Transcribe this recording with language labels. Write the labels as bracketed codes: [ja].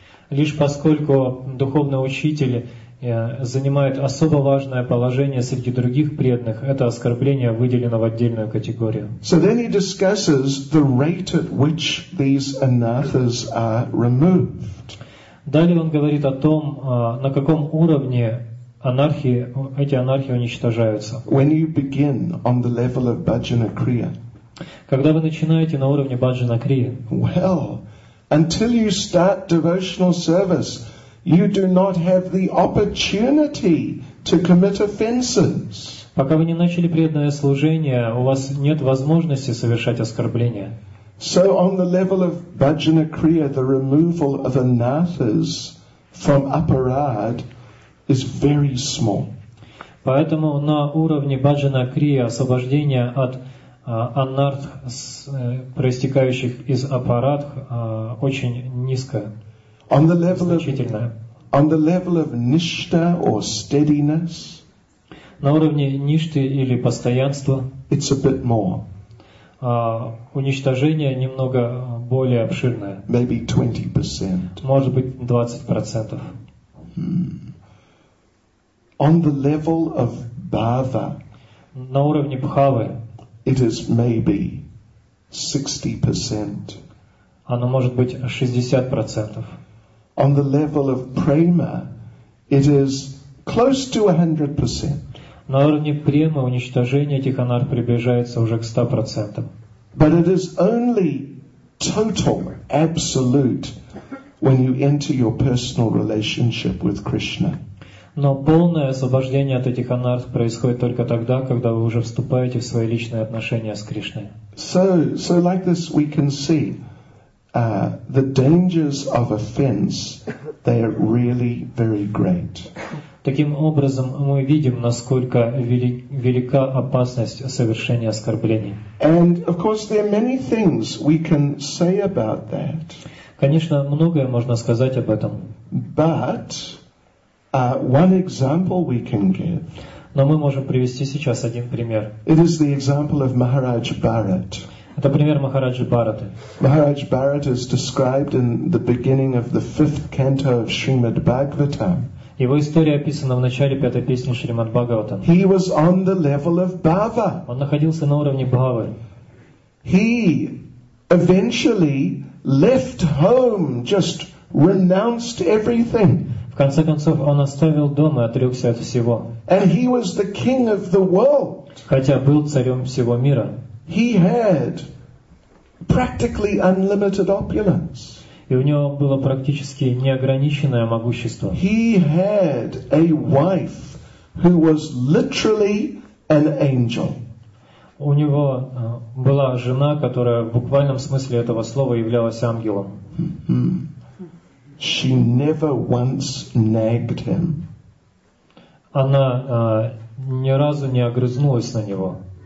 [ru] Лишь поскольку духовный учитель занимает особо важное положение среди других преданных, это оскорбление выделено в отдельную категорию. [en] So then he discusses the rate at which these anathas are removed. [ru] Далее он говорит о том, на каком уровне анархии, эти анархии уничтожаются. [en] When you begin on the level of bhajana kriya. [ru] Когда вы начинаете на уровне баджана крия. [en] Well, until you start devotional service, you do not have the opportunity to commit offenses. [ru] Пока вы не начали преданное служение, у вас нет возможности совершать оскорбления. [en] So on the level of Bhajana Kriya, the removal of anathas from aparad is very small. [ru] Поэтому на уровне Bhajana Kriya освобождение от анарт, проистекающих из аппарат, очень низкое, значительное. [en] On the level of nishta or steadiness, [ru] на уровне ништы или постоянства, [en] it's a bit more. [ru] Уничтожение немного более обширное. [en] Maybe 20%. [ru] Может быть, 20%. [en] On the level of bhava, [ru] на уровне бхавы, [en] it is maybe 60%. [ru] Оно может быть 60%. [en] On the level of prema, it is close to 100%. [ru] На уровне премы уничтожение этих анарт приближается уже к 100%. [en] But it is only total, absolute, when you enter your personal relationship with Krishna. [ru] Но полное освобождение от этих анарт происходит только тогда, когда вы уже вступаете в свои личные отношения с Кришной. [en] So like this we can see the dangers of offense, they are really very great. [ru] Таким образом мы видим, насколько велика опасность совершения оскорблений. [en] And of course there are many things we can say about that. [ru] Конечно, многое можно сказать об этом. [en] But one example we can give. [ru] Но мы можем привести сейчас один пример. [en] It is the example of Maharaj Bharat. [ru] Это пример Махараджи Бхараты. [en] Maharaj Bharat is described in the beginning of the fifth canto of Srimad Bhagavatam. [ru] Его история описана в начале пятой песни Шримад Бхагаватам. [en] He was on the level of bhava. [ru] Он находился на уровне бхавы. [en] He eventually left home, just renounced everything. [ru] В конце концов, он оставил дом и отрекся от всего. [en] And he was the king of the world. [ru] Хотя был царем всего мира. [en] He had practically unlimited opulence. [ru] И у него было практически неограниченное могущество. [en] He had a wife who was literally an angel. [ru] У него была жена, которая в буквальном смысле этого слова являлась ангелом. [en] She never once nagged him. [ru] Она ни разу не огрызнулась на него.